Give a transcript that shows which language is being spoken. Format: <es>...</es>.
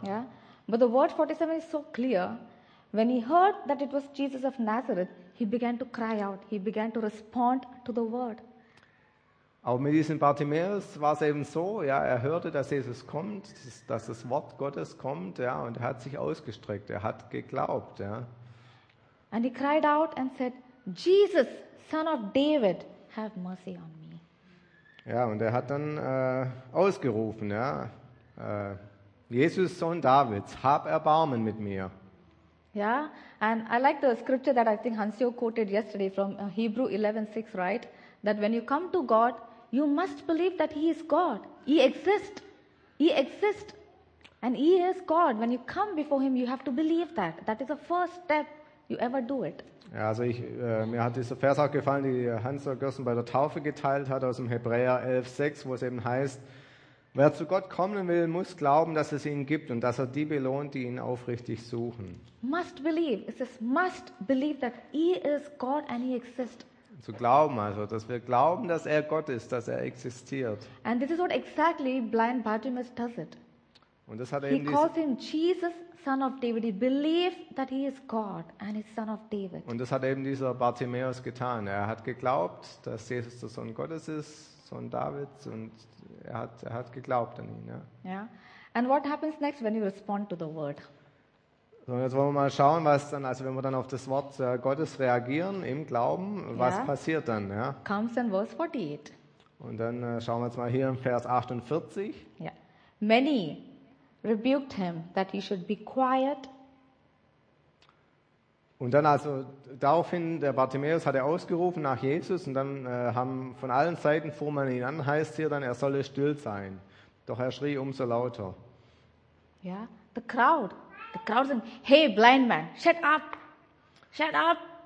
<en>Yeah. But the word 47 is so clear. When he heard that it was Jesus of Nazareth, he began to cry out. He began to respond to the word.</en> <de>Auch mit diesem Bartimäus war es eben so, ja, er hörte, dass Jesus kommt, dass das Wort Gottes kommt, ja, und er hat sich ausgestreckt, er hat geglaubt, ja.</de> <en>And he cried out and said, Jesus, son of David, have mercy on me.</en> <de>Ja, und er hat dann ausgerufen, ja, Jesus, Sohn Davids, hab Erbarmen mit mir.</de> <en>Yeah, and I like the scripture that I think Hansio quoted yesterday from Hebrews 11:6, right? That when you come to God, you must believe that He is God. He exists. He exists. And He is God. When you come before Him, you have to believe that. That is the first step you ever do it.</en> <de>Ja, also ich, mir hat dieser Vers auch gefallen, die Hansio Gerson bei der Taufe geteilt hat, aus dem Hebräer 11:6, wo es eben heißt, wer zu Gott kommen will, muss glauben, dass es ihn gibt und dass er die belohnt, die ihn aufrichtig suchen.</de> <en>Must believe. It says must believe that he is God and he exists.</en> <de>Zu glauben, also, dass wir glauben, dass er Gott ist, dass er existiert.</de> <en>And this is what exactly blind Bartimaeus does it.</en> <de>Und das hat</de> <en>he</en> <de>eben</de> <en>calls him Jesus, son of David. He believes that he is God and he's son of David.</en> <de>Und das hat eben dieser Bartimaeus getan. Er hat geglaubt, dass Jesus der Sohn Gottes ist, Sohn Davids, und er hat geglaubt an ihn. Ja. Yeah.</de> <en>And what happens next when you respond to the word?</en> <de>So, jetzt wollen wir mal schauen, was dann, also wenn wir dann auf das Wort Gottes reagieren im Glauben, was passiert dann? Ja?</de> <en>Comes in verse 48.</en> <de>Und dann schauen wir jetzt mal hier in Vers 48. Yeah.</de> <en>Many rebuked him that he should be quiet.</en> <de>Und dann also daraufhin, der Bartimäus hat er ausgerufen nach Jesus und dann haben von allen Seiten fuhr man ihn an, heißt hier dann, er solle still sein. Doch er schrie umso lauter.</de> <en>Ja, the crowd sind, hey blind man, shut up.</en>